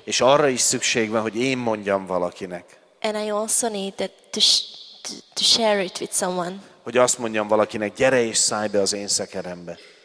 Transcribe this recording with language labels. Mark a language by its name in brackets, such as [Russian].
[Hungarian] És arra is szükség van, hogy én mondjam valakinek. [English] And I also need that to share it with someone. [Hungarian] Hogy azt mondjam valakinek, gyere és szállj be az én szekerembe.